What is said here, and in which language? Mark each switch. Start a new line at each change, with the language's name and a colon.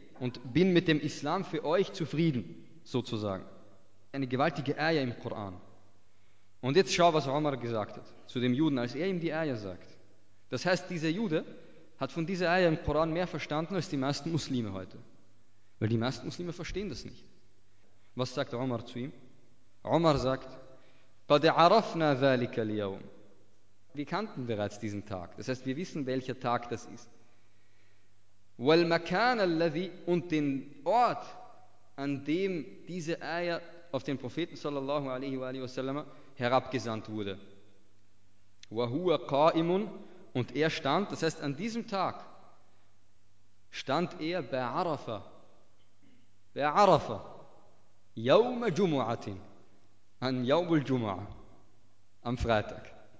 German: Und bin mit dem Islam für euch zufrieden, sozusagen. Eine gewaltige Ayah im Koran. Und jetzt schau, was Umar gesagt hat zu dem Juden, als er ihm die Ayah sagt. Das heißt, dieser Jude hat von dieser Ayah im Koran mehr verstanden als die meisten Muslime heute. Weil die meisten Muslime verstehen das nicht. Was sagt Umar zu ihm? Umar sagt,
Arabic: قَدْ عَرَفْنَا ذَلِكَ الْيَوْمِ.
German: Wir kannten bereits diesen Tag. Das heißt, wir wissen, welcher Tag das ist. Und den Ort, an dem diese Ayah auf den Propheten sallallahu alaihi wa alihi wa sallam herabgesandt wurde. Und er stand, das heißt an diesem Tag, stand er bei Arafa,
Arabic: Yawma Jumu'atin,
German: an
Arabic: Yawmul Jumu'ah,
German: am Freitag.